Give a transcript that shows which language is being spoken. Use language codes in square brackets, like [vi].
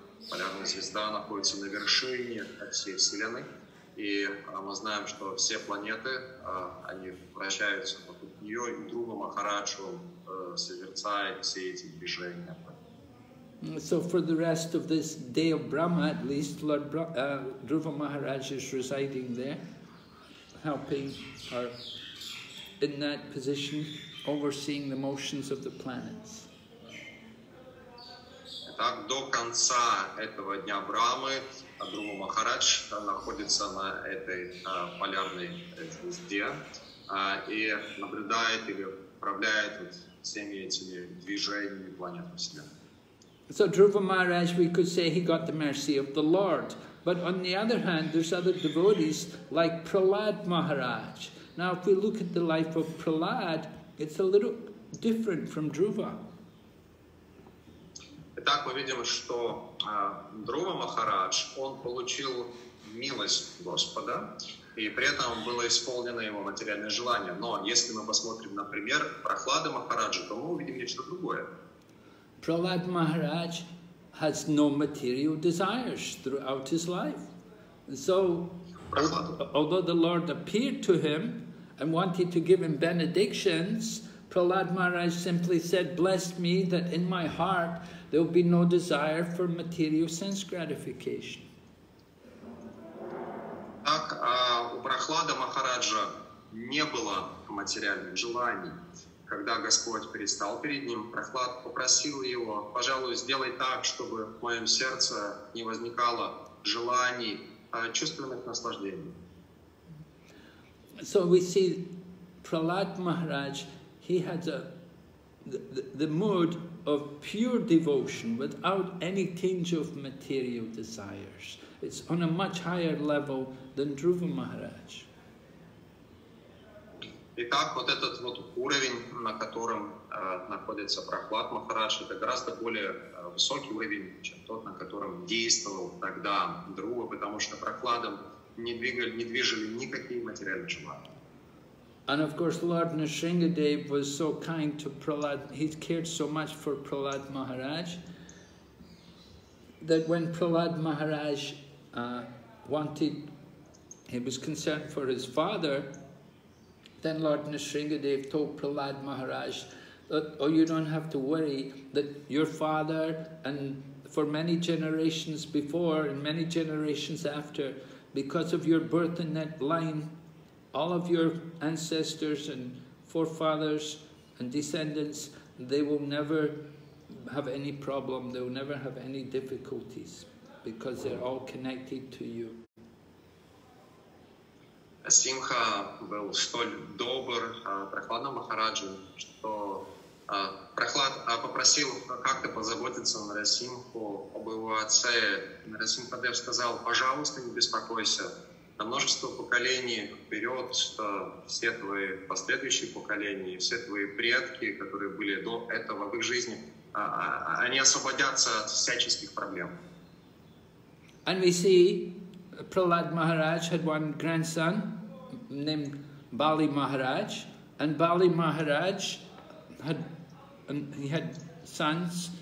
[ru] Полярная звезда находится на вершине всей Вселенной. И мы знаем, что все планеты, они вращаются вокруг нее, и Друва Махарадж созерцает все эти движения. [en] So for the rest of this day of Brahma, at least, Lord Dhruva Maharaj is residing there, helping or in that position, overseeing the motions of the planets. [ru] Так до конца этого дня Брамы Друва Махарадж находится на этой полярной звезде и наблюдает или управляет всеми этими движениями планет Вселенной. [en] So Dhruva Maharaj, we could say he got the mercy of the Lord. But on the other hand, there's other devotees like Prahlad Maharaj. Now, if we look at the life of Prahlad, it's a little different from Dhruva. [ru] Итак, мы видим, что Друва Махарадж, он получил милость Господа, и при этом было исполнено его материальное желание. Но если мы посмотрим, например, Прахлада Махараджа, то мы увидим нечто другое. [en] Prahlad Maharaj has no material desires throughout his life. So, although the Lord appeared to him and wanted to give him benedictions, Prahlad Maharaj simply said, bless me that in my heart there will be no desire for material sense gratification. [ru] Так, у Прахлада Махараджа не было материальных желаний. Когда Господь предстал перед ним, Прохлад попросил его, пожалуй, сделай так, чтобы в моем сердце не возникало желаний, чувственных наслаждений. [en] So we see Prahlad Maharaj, he had the mood of pure devotion without any tinge of material desires. It's on a much higher level than Dhruva Maharaj. [ru] Итак, вот этот вот уровень, на котором находится Прахлад Махарадж, это гораздо более высокий уровень, чем тот, на котором действовал тогда Друва, потому что Прахладом не движили никакие материальные желания. [en] And of course, Lord Nrisingadev was so kind to Prahlad, he cared so much for Prahlad Maharaj, that when Prahlad Maharaj he was concerned for his father, then Lord Nrisingadev told Prahlad Maharaj that, oh, you don't have to worry, that your father and for many generations before and many generations after, because of your birth in that line, all of your ancestors and forefathers and descendants, they will never have any problem, they will never have any difficulties because they're all connected to you. [ru] Симха был столь добр Прахладу Махараджу, что Прахлад попросил как-то позаботиться о Нарасимху, об его отце. Нарасимхадев сказал, пожалуйста, не беспокойся. На множество поколений вперед все твои последующие поколения, все твои предки, которые были до этого в их жизни, они освободятся от всяческих проблем. [en] And we see Prahlad Maharaj had one grandson named Bali Maharaj, and Bali Maharaj had sons